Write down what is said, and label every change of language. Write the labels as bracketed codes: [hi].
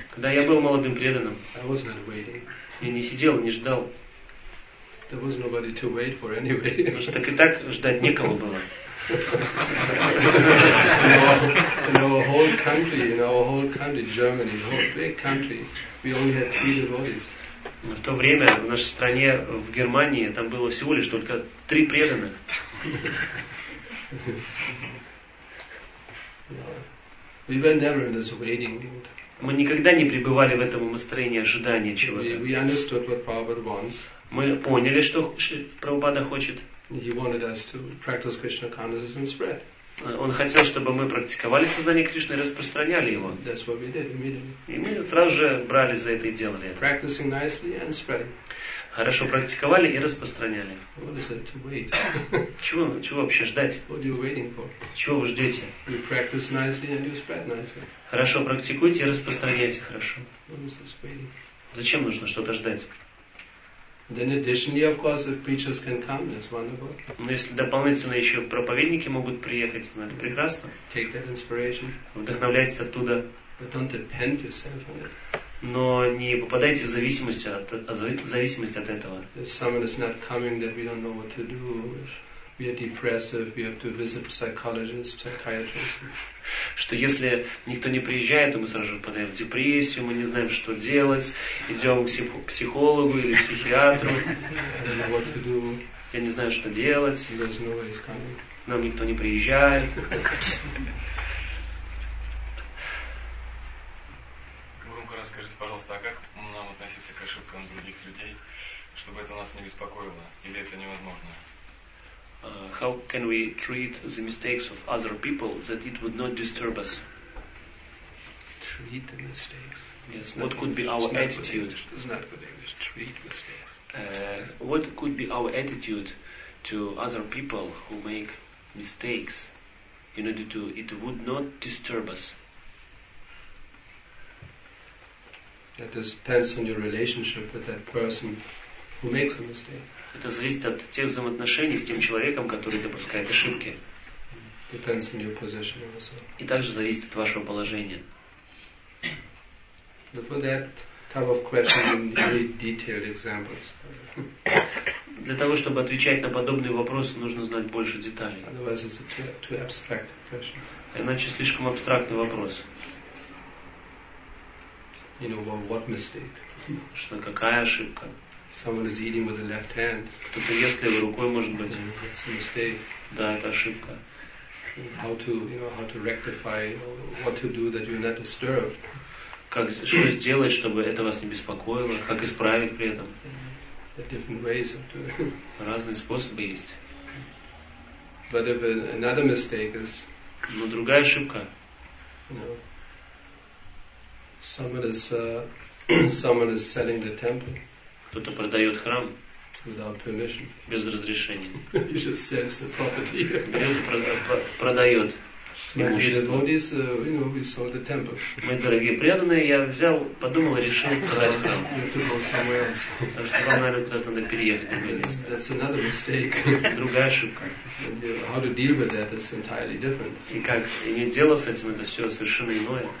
[ru] когда я был молодым преданным, [en] I was not waiting. [ru] Я не сидел, не ждал. [en] There was nobody to wait for anyway. [ru] Потому что так и так ждать некого было. [en] In our whole country, Germany, the whole big country, we only had 3 devotees. [ru] Но в то время в нашей стране, в Германии, там было всего лишь только 3 преданных. [en] We were never in this waiting mood. [ru] Мы никогда не пребывали в этом настроении ожидания чего-то. [en] We understood what Prabhupada wants. [ru] Мы поняли, что Прабхупада хочет. [en] He wanted us to practice Krishna consciousness and spread. [ru] Он хотел, чтобы мы практиковали сознание Кришны и распространяли его. [en] That's what we did immediately. [ru] И мы сразу же брались за это и делали это. [en] Practicing nicely and spreading. [ru] Хорошо практиковали и распространяли. [en] What is it to wait? [ru] Чего вообще ждать? [en] What are you waiting for? [ru] Чего вы ждете? [en] You practice nicely and you spread nicely. [ru] Хорошо практикуйте и распространяйте хорошо. [en] What is this waiting? [ru] Зачем нужно что-то ждать? [en] Then additionally, of course, if preachers can come, that's wonderful. [ru] Но если дополнительно еще проповедники могут приехать, ну это прекрасно. [en] Take that inspiration. [ru] Вдохновляйтесь оттуда. [en] But don't depend yourself on it. [ru] Но не попадайте в зависимость от этого. [en] If someone is not coming, that we don't know what to do. We are depressive. We have to visit psychologists, psychiatrists. [ru] Что если никто не приезжает, то мы сразу же впадаем в депрессию, мы не знаем, что делать, идем к психологу или психиатру. [en] I don't know what to do. [ru] Я не знаю, что делать. [en] There's nobody's coming. [ru] Нам никто не приезжает. Гурумка, расскажите, пожалуйста, а как нам относиться к ошибкам других людей, чтобы это нас не беспокоило, или это невозможно? [en] How can we treat the mistakes of other people that it would not disturb us? Treat the mistakes? Yes. What could be our attitude? It's not good English. Treat mistakes. What could be our attitude to other people who make mistakes in order to it would not disturb us? That depends on your relationship with that person who makes a mistake. [ru] Это зависит от тех взаимоотношений с тем человеком, который допускает ошибки. [en] Depends on your position also. [ru] И также зависит от вашего положения. [en] But for that type of question, you need detailed examples. [ru] Для того, чтобы отвечать на подобные вопросы, нужно знать больше деталей. [en] Otherwise, it's a too abstract question. [ru] Иначе слишком абстрактный вопрос. [en] You know, well, what mistake? [ru] Что какая ошибка? [en] Someone is eating with the left hand. [ru] Кто-то ест левой рукой, может быть. [en] That's a mistake. [ru] Да, это ошибка. [en] How to rectify, what to do that you're not disturbed. [ru] Как что сделать, чтобы это вас не беспокоило? Как исправить при этом? [en] There are different ways of doing. [ru] Разные способы есть. [en] But if another mistake is. [ru] Но другая ошибка. [en] Someone is selling the temple. [ru] Кто-то продает храм [en] without permission. [ru] Без разрешения. [en] He just sells the property. [ru] Продает имущество. Мои дорогие преданные, я взял, подумал, решил продать храм. Потому что вам, наверное, куда-то надо переехать. [en] That's another mistake. [ru] Другая ошибка. [en] How to deal with that is entirely different. [ru] И как иметь дело с этим, это все совершенно иное.